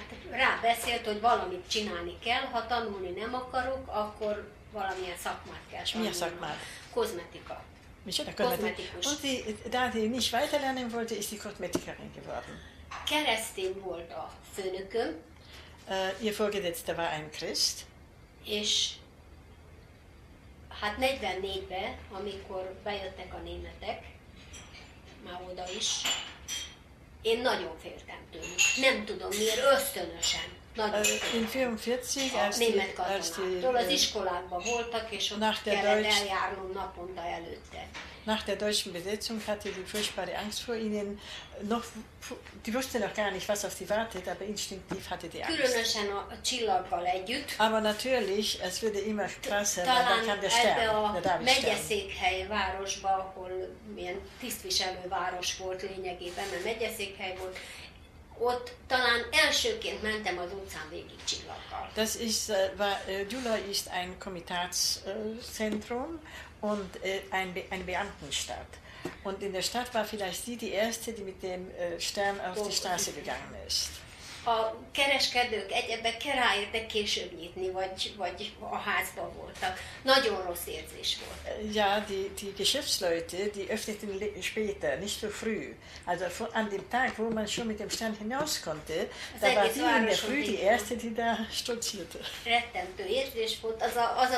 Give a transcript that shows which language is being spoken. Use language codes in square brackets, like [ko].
[hu] Rábeszélt, hogy valamit csinálni kell, ha tanulni nem akarok, akkor valamilyen szakmát kell tanulni. Milyen szakmát? Kozmetika. Micsoda? Kozmetikus. [de] Und die nicht weiterlernen wollte, ist die Kosmetikerin geworden. [hu] Keresztény volt a főnököm. [de] Ihr Vorgesetzte war ein Christ. [hu] És hát 44-ben, amikor bejöttek a németek, már oda is, én nagyon féltem tőlük. Nem tudom miért, ösztönösen. Nagyon féltem. Az iskolákban voltak, és ott kellett eljárnom naponta előtte. [de] Nach der deutschen Besetzung hatte sie furchtbare Angst vor ihnen. Noch, die wusste noch gar nicht, was auf sie wartet, aber instinktiv hatte sie Angst. [hu] Különösen a Csillaggal együtt. [de] Aber natürlich, es würde immer krasser, weil dann kam der Stern, der David Stern. [hu] Megyeszékhely városba, ahol ilyen tisztviselő város volt lényegében, mert megyeszékhely volt, ott talán elsőként mentem az utcán végig Csillaggal. [de] Das ist, Gyula ist ein Komitatszentrum, und eine Beamtenstadt. Und in der Stadt war vielleicht sie die Erste, die mit dem Stern auf die Straße gegangen ist. [hu] A kereskedők egyebek ráértek később nyitni, vagy a házban voltak. Nagyon rossz érzés volt. [de] Ja, die Geschäftsleute, die öffneten später, nicht so früh. Also an dem Tag, wo man schon mit dem Stern hinaus konnte, az da war sie in der Früh die Erste, die da stolzierte. [hu] Rettentő érzés volt, az a